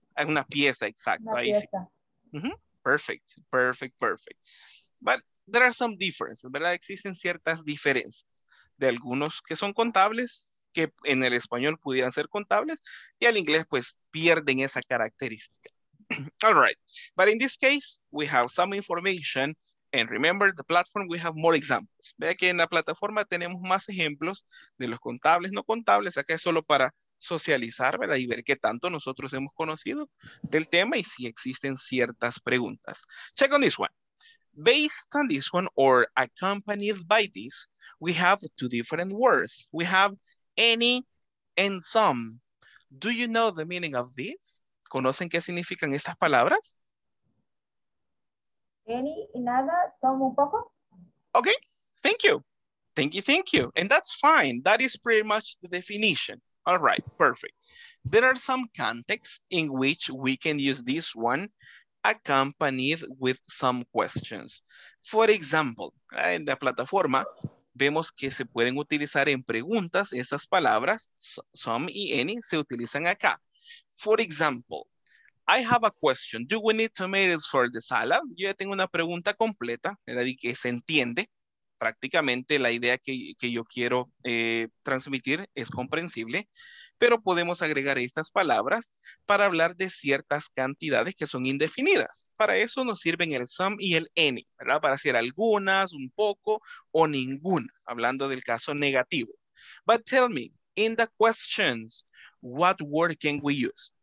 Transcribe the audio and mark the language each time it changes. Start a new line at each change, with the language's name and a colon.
Spanish: Es una pieza, exacto, una ahí pieza. Sí.
English: Perfect. But there are some differences,
Spanish: ¿verdad? Existen ciertas diferencias. De algunos que son contables, que en el español pudieran ser contables, y al inglés, pues, pierden esa característica.
English: All right. But in this case, we have some information, and remember, the platform, we have more examples.
Spanish: Vea que en la plataforma tenemos más ejemplos de los contables, no contables. Acá es solo para socializar, ¿verdad? Y ver qué tanto nosotros hemos conocido del tema y si existen ciertas preguntas.
English: Check on this one. Based on this one, or accompanied by this, we have two different words. We have any and some. Do you know the meaning of this?
Spanish: ¿Conocen qué significan estas palabras? Any y nada, some un poco.
English: Okay, thank you. And that's fine. That is pretty much the definition. All right, perfect. There are some contexts in which we can use this one accompanied with some questions. For example,
Spanish: en la plataforma vemos que se pueden utilizar en preguntas esas palabras, some y any, se utilizan acá.
English: For example, I have a question. Do we need tomatoes for the salad?
Spanish: Yo ya tengo una pregunta completa, ¿verdad? Y que se entiende prácticamente la idea que yo quiero transmitir es comprensible. Pero podemos agregar estas palabras para hablar de ciertas cantidades que son indefinidas. Para eso nos sirven el some y el any, ¿verdad? Para hacer algunas, un poco o ninguna, hablando del caso negativo.
English: But tell me, in the questions, what word can we use?